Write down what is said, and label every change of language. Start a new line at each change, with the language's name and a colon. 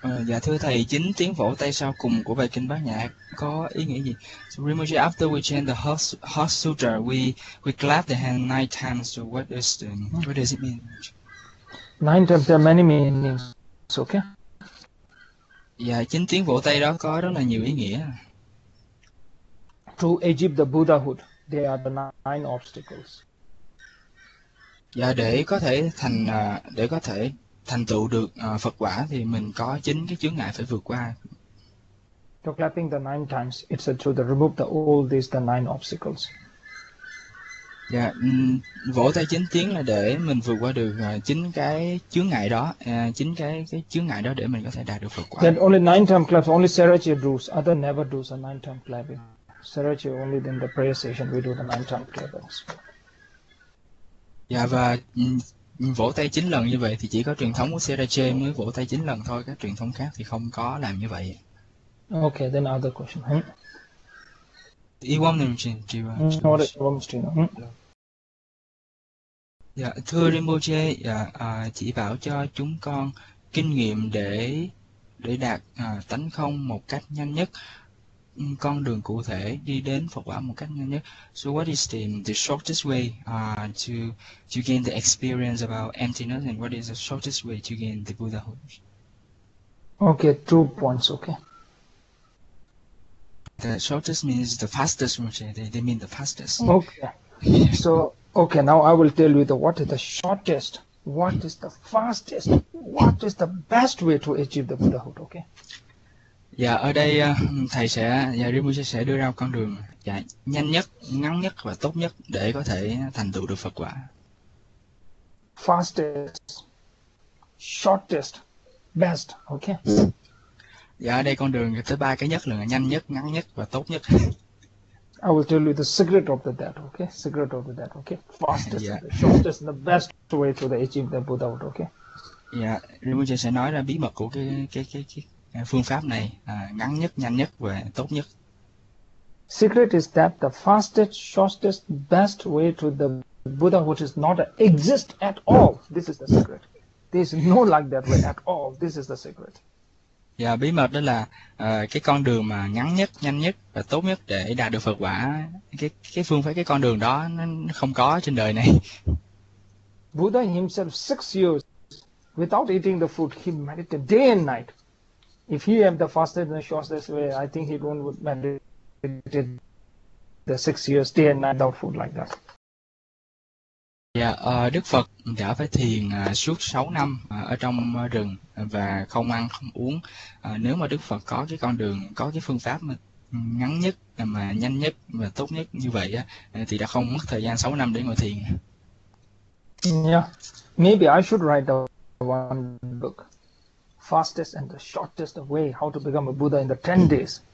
Vietnamese: Dạ, thưa thầy, chính tiếng vỗ tay sau cùng của bài kinh Bát Nhã có ý nghĩa gì?
English: So, Rinpoche, after we chant the Heart Sutra, we clap the hand 9 times. So what does it mean? Nine times, there are many meanings. It's okay.
Vietnamese: Dạ, chính tiếng vỗ tay đó có rất là nhiều ý nghĩa.
English: To achieve the Buddhahood, there are the nine obstacles.
Vietnamese: Dạ, để có thể thành tựu được Phật quả thì mình có chín cái chướng ngại phải vượt qua.
English: To clapping the nine times, it's a to the remove the all these the nine obstacles.
Vietnamese: Dạ, vỗ tay 9 tiếng là để mình vượt qua được chín cái chướng ngại đó, chín cái chướng ngại đó để mình có thể đạt được Phật quả.
English: Then only nine time claps, only Saraji does, other never does a nine time clapping. Saraji only in the prayer session we do the nine time clappings.
Vietnamese: Dạ, và vỗ tay 9 lần như vậy thì chỉ có truyền thống của Seraje mới vỗ tay 9 lần thôi, các truyền thống khác thì không có làm như vậy.
English: Other question.
Vietnamese: Y quan niệm trình trì và
English: What is the
Vietnamese: Dạ, thưa Rinpoche, dạ, chỉ bảo cho chúng con kinh nghiệm để đạt tánh không một cách nhanh nhất, con đường cụ thể đi đến Phật quả một cách nhanh nhất.
English: So what is the shortest way to gain the experience about emptiness, and what is the shortest way to gain the Buddhahood? Okay, 2 points. Okay. The shortest means the fastest, Rinpoche. They mean the fastest. Okay. So, okay, now I will tell you the what is the shortest, what is the fastest, what is the best way to achieve the Buddhahood, okay?
Vietnamese: Dạ, ở đây thầy sẽ, dạ, Rinpoche sẽ đưa ra con đường dạ, nhanh nhất, ngắn nhất và tốt nhất để có thể thành tựu được Phật quả.
English: Fastest, shortest, best, okay?
Vietnamese: Dạ, ở đây con đường tới ba cái nhất là nhanh nhất, ngắn nhất và tốt nhất.
English: I will tell you the secret of that, okay? Secret of that, okay? Fastest
Vietnamese: Dạ.
English: and the shortest and the best way to achieve the Buddhahood,
Vietnamese: Dạ, Rinpoche sẽ nói ra bí mật của cái phương pháp này, ngắn nhất, nhanh nhất và tốt nhất.
English: secret is that the fastest, shortest, best way to the Buddhahood is not exist at all. This is the secret. There's no like that way at all. This is the secret.
Vietnamese: Dạ, bí mật đó là cái con đường mà ngắn nhất, nhanh nhất và tốt nhất để đạt được Phật quả, cái phương pháp, cái con đường đó nó không có trên đời này.
English: Buddha himself 6 years without eating the food, he meditated day and night. If he have the fastest and shortest way, I think he won't meditate the 6 years day and night without food like that.
Vietnamese: Dạ, Đức Phật đã phải thiền suốt 6 năm ở trong rừng và không ăn không uống. Nếu mà Đức Phật có cái con đường, có cái phương pháp mà ngắn nhất mà nhanh nhất và tốt nhất như vậy á, thì đã không mất thời gian 6 năm để ngồi thiền.
English: Yeah, maybe I should write a one book, fastest and the shortest way how to become a Buddha in the 10 days.